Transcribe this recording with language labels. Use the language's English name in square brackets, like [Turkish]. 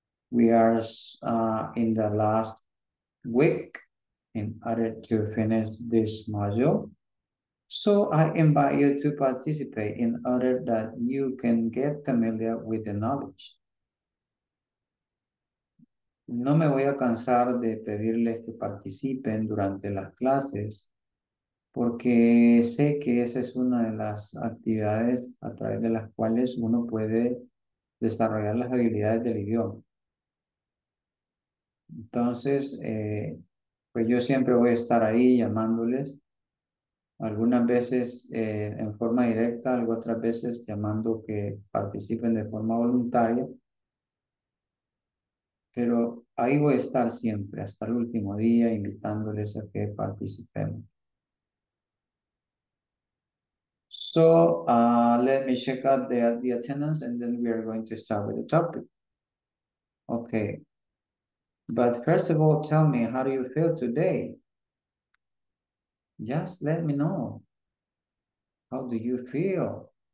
[English] We are in the last week in order to finish this module. So I invite you to participate in order that you can get familiar with the knowledge. [Spanish] No me voy a cansar de pedirles que participen durante las clases porque sé que esa es una de las actividades a través de las cuales uno puede desarrollar las habilidades del idioma. Entonces, pues yo siempre voy a estar ahí llamándoles, algunas veces en forma directa, otras veces llamando que participen de forma voluntaria. Pero ahí voy a estar siempre, hasta el último día, invitándoles a que participemos. [English] So, let me check out the attendance and then we are going to start with the topic. Okay. But first of all, tell me, how do you feel today? Just let me know. How do you feel?